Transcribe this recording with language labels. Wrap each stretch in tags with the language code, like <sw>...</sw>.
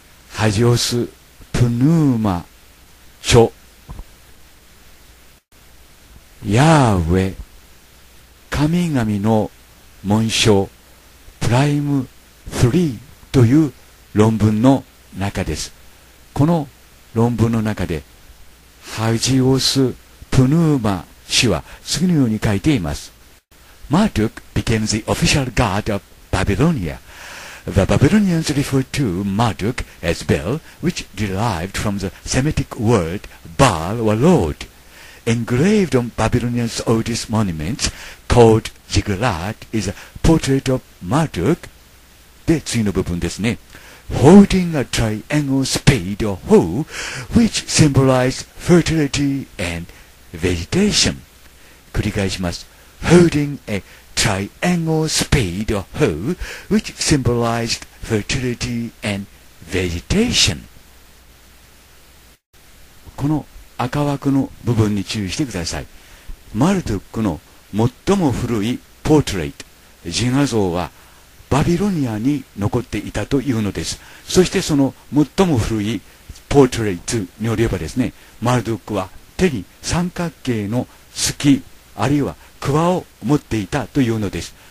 <ja>ハジオス・プヌーマ著、ヤーウェ、神々の紋章プライム3という論文の中です。この論文の中でハジオス・プヌーマ氏は次のように書いています。</ja> <en>Marduk became the official god of Babylonia. The Babylonians referred to Marduk as Bel, which derived from the Semitic word Baal or Lord. Engraved on Babylonians' oldest monuments, called Ziggurat, is a portrait of Marduk.</en> <ja>で、次の部分ですね。</ja> <en>Holding a triangle spade or hoe, which symbolizes fertility and vegetation.</en> <ja>繰り返します。</ja> <en>Holding a triangle spade or hoe, which symbolizes fertility and vegetation.</en> <ja>この赤枠の部分に注意してください。マルドックの最も古いポートレート、自画像はバビロニアに残っていたというのです。そしてその最も古いポートレートによればですね、マルドックは手に三角形の月、あるいは鍬を持っていたというのです。</ja>